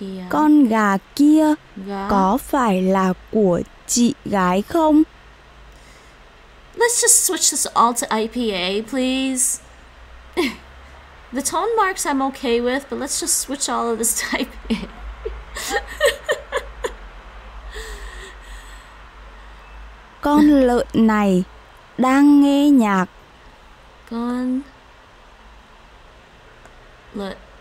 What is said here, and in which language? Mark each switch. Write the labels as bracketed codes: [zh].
[vi] Con gà kia có phải là của chị gái không? [en] Let's just switch this all to IPA, please. The tone marks I'm okay with, but let's just switch all of this to IPA. [vi] Con lợn này đang nghe nhạc. Con lợn